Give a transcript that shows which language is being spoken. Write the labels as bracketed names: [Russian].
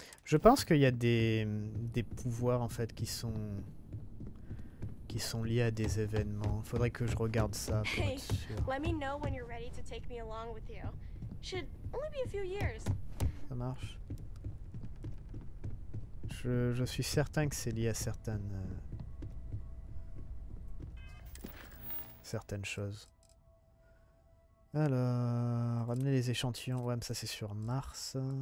[French] Je pense qu'il y a des pouvoirs en fait qui sont liés à des événements. Faudrait que je regarde ça pour être sûr. [English] Hey, let me know when you're ready to take me along with you. Should only be a few years. [French] Ça marche. Je suis certain que c'est lié à certaines choses. Alors, ramener les échantillons, ouais, mais ça c'est sur Mars.